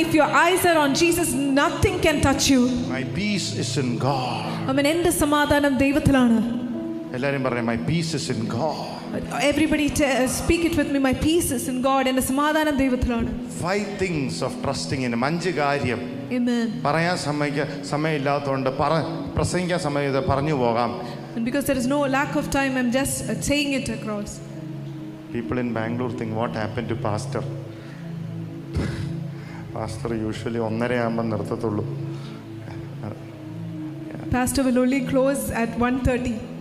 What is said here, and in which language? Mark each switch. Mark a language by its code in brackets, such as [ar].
[en] If your eyes are on Jesus, nothing can touch you. My peace is in God. [ml] Amen. എന്റെ സമാധാനം ദൈവത്തിലാണ്. എല്ലാരും പറയേ, [en] my peace is in God. Everybody speak it with me. My peace is in God. [ml] എന്റെ സമാധാനം ദൈവത്തിലാണ്. [en] Five things of trusting in him. [ml] അഞ്ച് കാര്യം. [en] Amen. [ml] പറയാൻ സമയമില്ലാത്തതുകൊണ്ട് പ്രസംഗിക്കാൻ സമയമില്ല, പറഞ്ഞു പോകാം. [en] And because there is no lack of time, I'm just saying it across. People in Bangalore think, what happened to pastor? [ml] Pastor usually onnare aamban nirthathullu. [en] Pastor will only close at 1:30.